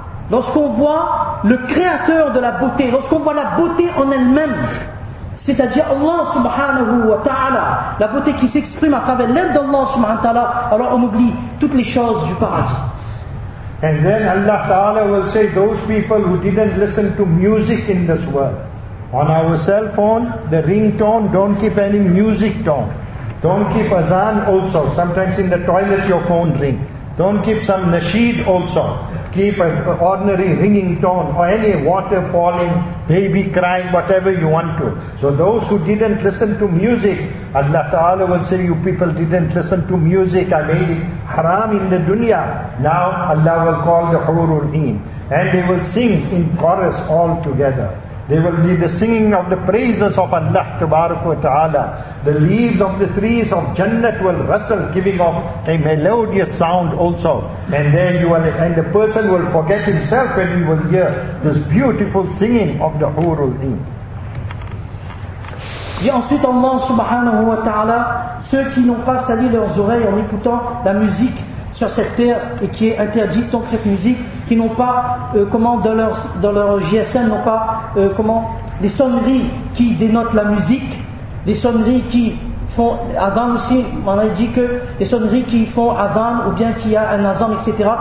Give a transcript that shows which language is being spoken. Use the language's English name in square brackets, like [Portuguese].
[French] Lorsqu'on voit le créateur de la beauté, lorsqu'on voit la beauté en elle-même, c'est-à-dire Allah subhanahu wa ta'ala, la beauté qui s'exprime à travers l'aide d'Allah subhanahu wa ta'ala, alors on oublie toutes les choses du paradis. [English] And then Allah Ta'ala will say, those people who didn't listen to music in this world, on our cell phone, the ringtone, don't keep any music tone. Don't keep azan also. Sometimes in the toilet your phone ring. Don't keep some nasheed also. Keep an ordinary ringing tone or any water falling, baby crying, whatever you want to. So those who didn't listen to music, Allah Ta'ala will say, you people didn't listen to music, I made it haram in the dunya. Now Allah will call the hurul een, and they will sing in chorus all together. They will be the singing of the praises of Allah Tabaraka wa Ta'ala. The leaves of the trees of Jannah will rustle, giving off a melodious sound also. And then you will, and the person will forget himself when he will hear this beautiful singing of the Hurul Een. [French] Et ensuite Allah subhanahu wa ta'ala, ceux qui n'ont pas sali leurs oreilles en écoutant la musique sur cette terre et qui est interdite, donc cette musique, qui n'ont pas dans leur GSM, n'ont pas les sonneries qui dénotent la musique, les sonneries qui font adhan aussi, on a dit que les sonneries qui font adhan ou bien qui a un azan, etc.